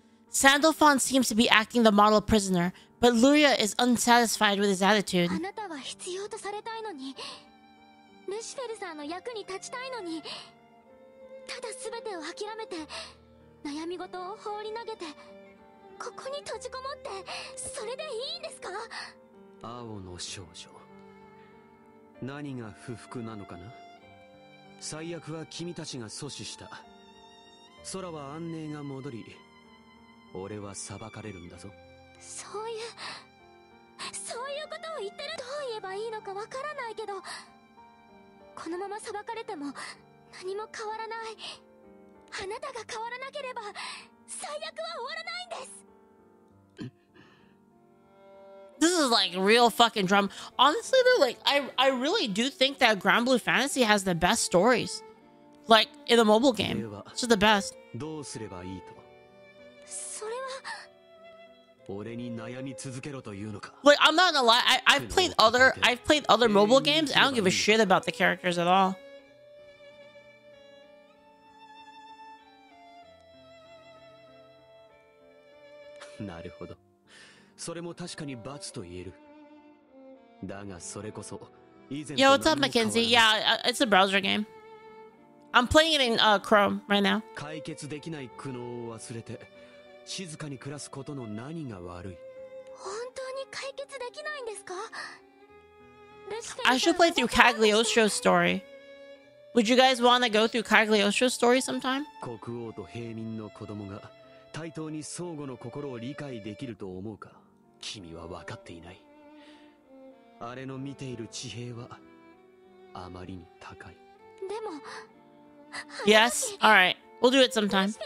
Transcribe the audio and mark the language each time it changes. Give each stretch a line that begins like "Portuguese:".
English: Sandalphon seems to be acting the model prisoner, but Luria is unsatisfied with his attitude.
Japanese: あなたは必要とされたいのに、ルシフェルさんの役に立ちたいのに。ただ全てを諦めて悩み事を放り投げてここに閉じこもってそれでいいんですか？青の少女、何が不服なのかな。最悪は君たちが阻止した、空は安寧が戻り、俺は裁かれるんだぞ。そういうことを言ってる。どう言えばいいのかわからないけど、このまま裁かれても何も変わらない。あなたが変わらなければ最悪は終わらないんです。
English: This is like real fucking drama. Honestly though, like I really do think that Granblue Fantasy has the best stories. Like in the mobile game. It's the best.
Japanese: どうすればいいと。それは俺に悩み続けろというのか。
English: Like I'm not gonna lie, I've played other mobile games. I don't give a shit about the characters at all.
Japanese: なるほど。それも確かに罰と言える。だがそれこそ以前。
English: Yo, what's up, Mackenzie? Yeah, it's a browser game. I'm playing it in Chrome right now.
Japanese: 解決できない苦悩を忘れて静かに暮らすことの何が悪い。本当に解決できないんですか？
English: I should play through Cagliostro's story. Would you guys want to go through Cagliostro's story sometime?
Japanese: 国王と平民の子供が対等に相互の心を理解できると思うか、君は分かっていない。あれの見ている地平はあまりに高い。でも
English: Yes, alright, we'll do it sometime. ブシ